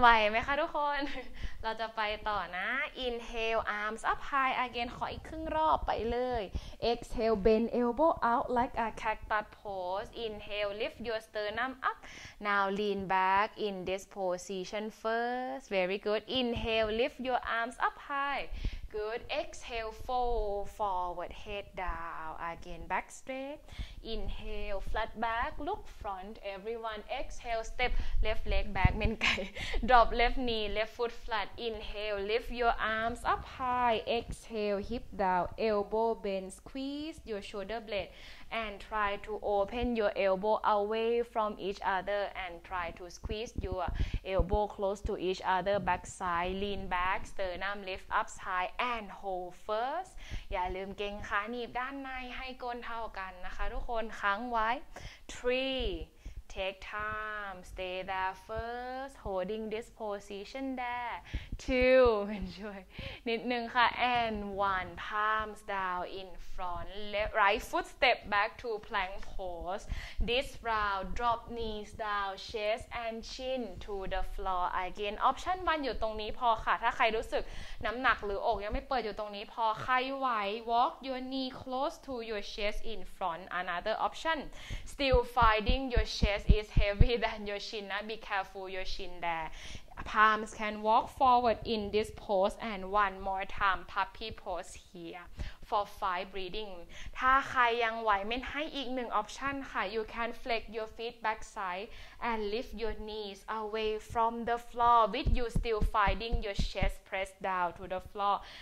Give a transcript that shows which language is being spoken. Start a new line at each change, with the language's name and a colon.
Thai: ไหวไหมคะทุกคน เราจะไปต่อนะ
English: Inhale, arms up high again.
Thai: ขออีกครึ่งรอบไปเลย
English: Exhale, bend elbow out like a cactus pose. Inhale, lift your sternum up. Now lean back in this position first. Very good. Inhale, lift your arms up high. Good. Exhale, fold forward, head down. Again, back straight. Inhale, flat back, look front. Everyone, exhale, step left leg back. เมนไก่ drop left knee, left foot flat. Inhale, lift your arms up high. Exhale, hip down, elbow bend, squeeze your shoulder blade. And try to open your elbow away from each other. And try to squeeze your elbow close to each other. Back side, lean back, sternum lift up high. And hold first.
Thai: อย่าลืมเกร็งขาหนีบด้านในให้ก้นเท่ากันนะคะทุกคนค้างไว้ Three.
English: Take time. Stay there first. Holding this position there. Two. Enjoy.
Thai: นิดนึงค่ะ
English: And one. Palms down in front. Left, right foot step back to plank pose. This round. Drop knees down. Chest and chin to the floor again.
Thai: Option one อยู่ตรงนี้พอค่ะถ้าใครรู้สึกน้ำหนักหรืออกยังไม่เปิดอยู่ตรงนี้พอใครไหว
English: Walk your knee close to your chest in front. Another option. Still finding your chestis heavy than your chin nah? be careful your chin there palms can walk forward in this pose and one more time puppy pose here for five breathing
Thai: ถ้าใครยังไหวเม้นให้อีกหนึ่ง
English: option ค่ะ you can flex your feet back side and lift your knees away from the floor with you still finding your chest press down to the floor